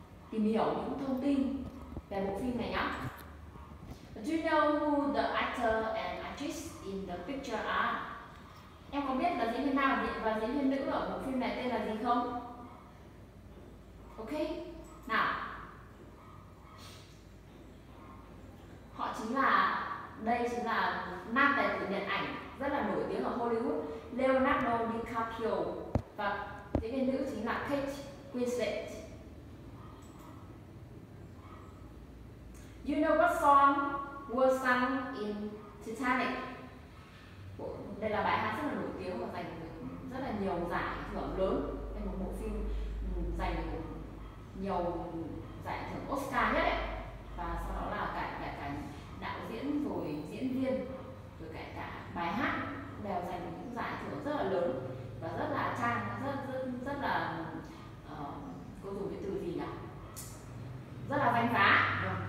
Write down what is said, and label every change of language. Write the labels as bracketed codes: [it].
[vi] Tìm hiểu những thông tin về bộ phim này nhá. [en] Do you know who the actor and actress in the picture are? [vi] Em có biết là diễn viên nam và diễn viên nữ ở bộ phim này tên là gì không? Ok, nào. Họ chính là, đây chính là nam tài tử điện ảnh rất là nổi tiếng ở Hollywood, Leonardo DiCaprio. Và diễn viên nữ chính là Kate Winslet. [en] You know what song was sung in Titanic? [vi] Đây là bài hát rất là nổi tiếng và giành rất là nhiều giải thưởng lớn. Đây là một bộ phim giành nhiều giải thưởng Oscar nhất ấy. Và sau đó là cả đạo diễn rồi diễn viên rồi cả bài hát đều giành những giải thưởng rất là lớn và rất là trang rất là cô dùng cái từ gì nhỉ? Rất là danh giá.